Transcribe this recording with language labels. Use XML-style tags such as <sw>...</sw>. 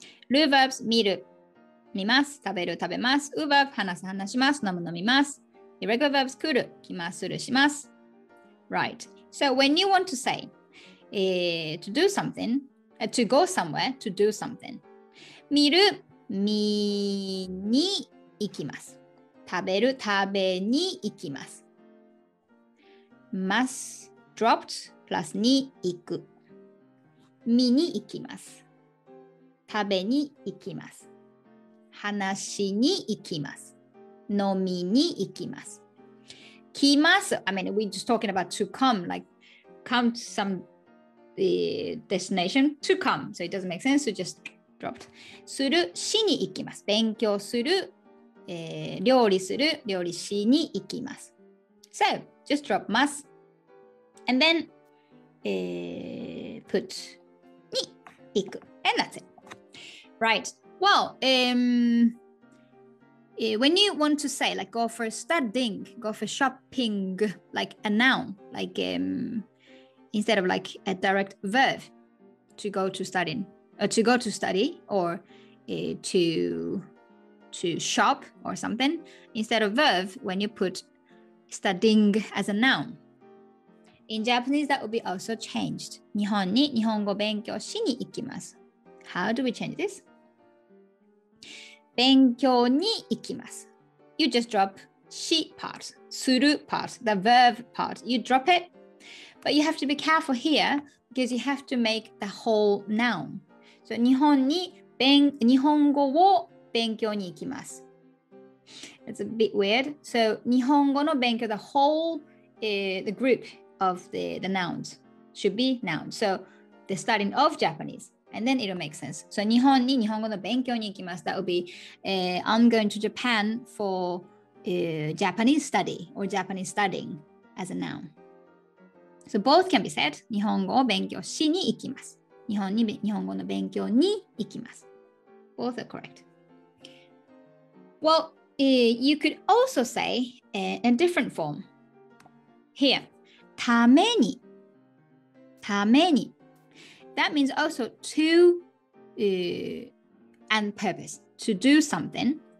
<en>Ru verbs,</en> <ja>見る、見ます、食べる、食べます。 U verb, 話す、話します、飲む、飲みます。</ja> <en>Irregular verbs,</en> <ja>来る、来ます、する、します。Right.</ja> <en>So when you want to say, to do something, to go somewhere, to do something.</en> <ja>見る、見に行きます。食べる、食べに行きます。</ja> <en>Mass dropped plus</en> <ja>に行く。見に行きます。食べに行きます。話しに行きます。飲みに行きます。来ます。</ja> <en>I mean, we're just talking about to come, like come to some destination to come. So it doesn't make sense, so just dropped.</en> <ja>する、しに行きます。勉強する、料理する、料理しに行きます。</ja> <en>So, just drop ます。And then put... Iku. And that's it. Right. Well, when you want to say, like, go for studying, go for shopping, like a noun, like instead of like a direct verb to go to studying, to go to study or to shop or something, instead of verb, when you put studying as a noun. In Japanese, that would be also changed.</en> <ja>日本に日本語勉強しに行きます。</ja> <en>How do we change this?</en> <ja>勉強に行きます。</ja> <en>You just drop し part, する part, the verb part. You drop it, but you have to be careful here because you have to make the whole noun. So</en> <ja>日本に日本語を勉強に行きます。</ja> <en>It's a bit weird. So 日本語の勉強, the whole, the group. Of the nouns should be nouns. So the starting of Japanese, and then it'll make sense. So</en> <ja>日本に日本語の勉強に行きます.</ja> <en>That would be I'm going to Japan for Japanese study or Japanese studying as a noun. So both can be said.</en> <ja>日本語を勉強しに行きます.日本に日本語の勉強に行きます.</ja> <en>Both are correct. Well, you could also say a different form here.</en> <ja>ために, ために.</ja> <en>That means also to and purpose, to do something.</en>